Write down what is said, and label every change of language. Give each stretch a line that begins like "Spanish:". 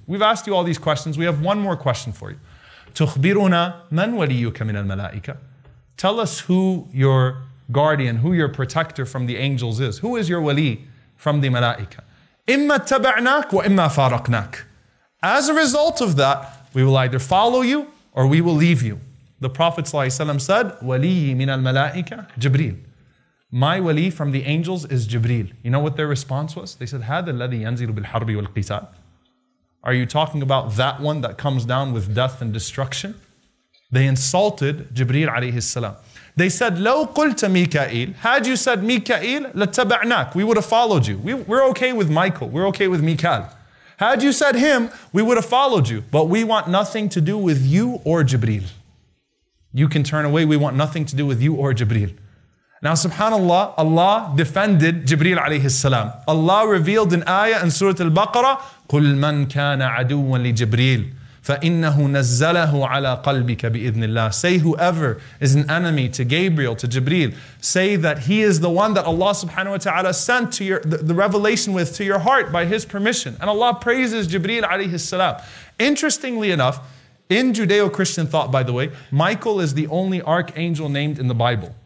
English: We've asked you all these questions. We have one more question for you.
Arabic: Tukhbiruna man waliyuka min al-malaika.
English: Tell us who your guardian, who your protector from the angels is. Who is your wali from the malaika?
Arabic: Imma taba'nak wa imma faraqnak.
English: As a result of that, we will either follow you or we will leave you. The Prophet ﷺ said,
Arabic: وَلِيِّ مِنَ الْمَلَائِكَةِ جِبْرِيلِ.
English: My wali from the angels is Jibreel. You know what their response was? They said,
Arabic: هَذَا الَّذِي يَنْزِلُ بِالْحَرْبِ وَالْقِتَالِ.
English: Are you talking about that one that comes down with death and destruction? They insulted Jibreel عليه السلام. They said,
Arabic: لَوْ قُلْتَ مِيكَائِيلِ.
English: Had you said
Arabic: مِيكَائِيلِ لَتَّبَعْنَاكَ.
English: We would have followed you. We're okay with Michael. We're okay with Mikael. Had you said him, we would have followed you. But we want nothing to do with you or Jibreel. You can turn away, we want nothing to do with you or Jibreel. Now subhanAllah, Allah defended Jibreel alayhi salam. Allah revealed an ayah in Surah Al-Baqarah,
Arabic: قُلْ مَنْ كَانَ عَدُوًا لِجِبْرِيلِ فَإِنَّهُ نَزَّلَهُ عَلَىٰ قَلْبِكَ بِإِذْنِ اللَّهِ.
English: Say whoever is an enemy to Gabriel, to Jibreel, say that he is the one that Allah subhanahu wa ta'ala sent to the revelation with to your heart by his permission. And Allah praises Jibreel alayhi salam. Interestingly enough, in Judeo-Christian thought, by the way, Michael is the only archangel named in the Bible.